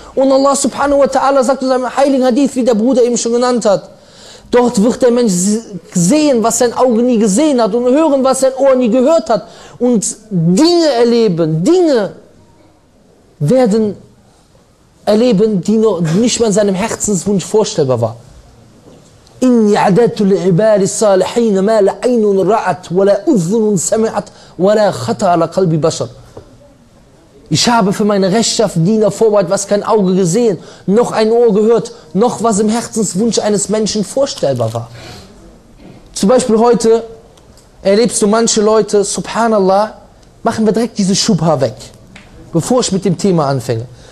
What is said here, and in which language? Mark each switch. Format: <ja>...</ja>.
<de>Und Allah subhanahu wa ta'ala sagt in seinem heiligen Hadith, wie der Bruder eben schon genannt hat, dort wird der Mensch sehen, was sein Auge nie gesehen hat und hören, was sein Ohr nie gehört hat und Dinge erleben, Dinge werden erleben, die noch nicht mal in seinem Herzenswunsch vorstellbar war.</de> <ar>إني عدت العبال الصالحين ما لا عين رأت ولا أذن سمعت ولا خطأ على قلب بشر.</ar> <de>Ich habe für meine Rechtschaffdiener vorbereitet, was kein Auge gesehen, noch ein Ohr gehört, noch was im Herzenswunsch eines Menschen vorstellbar war. Zum Beispiel heute erlebst du manche Leute, Subhanallah, machen wir direkt diese Schubha weg, bevor ich mit dem Thema anfange.</de>